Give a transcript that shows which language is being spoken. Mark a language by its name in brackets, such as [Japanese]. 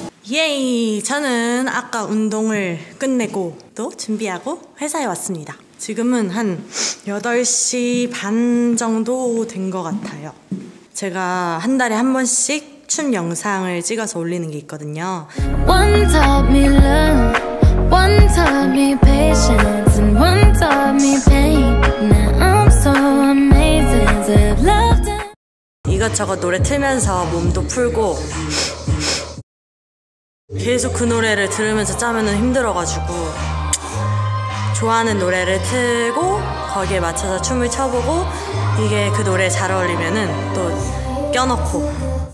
[Korean] 예이, 저는 아까 운동을 끝내고 또 준비하고 회사에 왔습니다. 지금은 한 8시 반 정도 된 것 같아요. 제가 한 달에 한 번씩 춤 영상을 찍어서 올리는 게 있거든요. [English] One time we learn, one time we patience, and one time we pain. Now I'm so amazing, I loved it. [Korean] 이것저것 노래 틀면서 몸도 풀고 계속 그 노래를 들으면서 짜면은 힘들어가지고 좋아하는 노래를 틀고 거기에 맞춰서 춤을 춰보고 이게 그 노래에 잘 어울리면은 또 껴넣고.